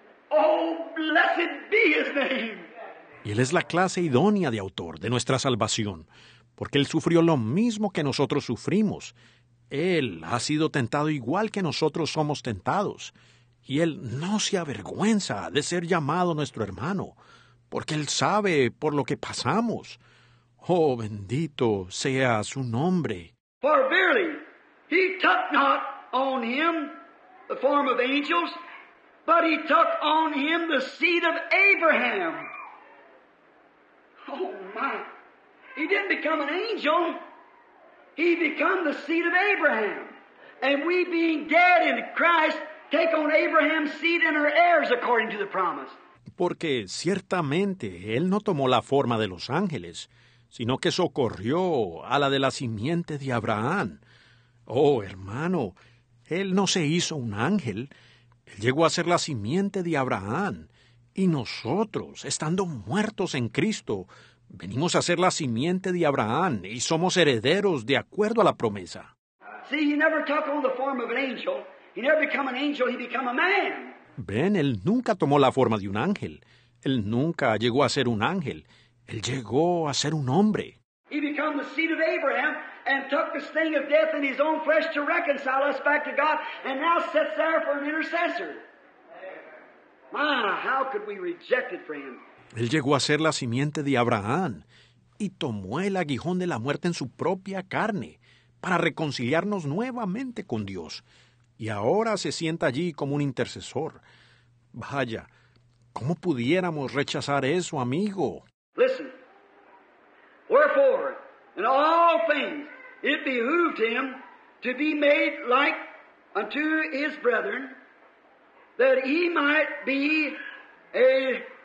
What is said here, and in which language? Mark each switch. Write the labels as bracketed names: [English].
[English] Oh, blessed be his name. [Spanish] Y él es la clase idónea de autor de nuestra salvación, porque él sufrió lo mismo que nosotros sufrimos. Él ha sido tentado igual que nosotros somos tentados, y él no se avergüenza de ser llamado nuestro hermano, porque él sabe por lo que pasamos. Oh, bendito sea su nombre. [English] For verily, he took not on him the form of angels, but he took on him the seed of Abraham. Oh, my. He didn't become an angel. He became the seed of Abraham. And we being dead in Christ, take on Abraham's seed and our heirs according to the promise. [Spanish] Porque ciertamente él no tomó la forma de los ángeles, sino que socorrió a la de la simiente de Abraham. Oh, hermano, él no se hizo un ángel. Él llegó a ser la simiente de Abraham. Y nosotros, estando muertos en Cristo, venimos a ser la simiente de Abraham y somos herederos de acuerdo a la promesa. [English] See, he never took on the form of an angel. He never became an angel, he became a man. [Spanish] Ven, él nunca tomó la forma de un ángel. Él nunca llegó a ser un ángel. Él llegó a ser un hombre. [English] He became the seed of Abraham and took the sting of death in his own flesh to reconcile us back to God, and now sits there for an intercessor. My, how could we reject it for him? [Spanish] Él llegó a ser la simiente de Abraham y tomó el aguijón de la muerte en su propia carne para reconciliarnos nuevamente con Dios. Y ahora se sienta allí como un intercesor. Vaya, ¿cómo pudiéramos rechazar eso, amigo? [English] Listen. Wherefore, in all things, it behooved him to be made like unto his brethren, that he might be a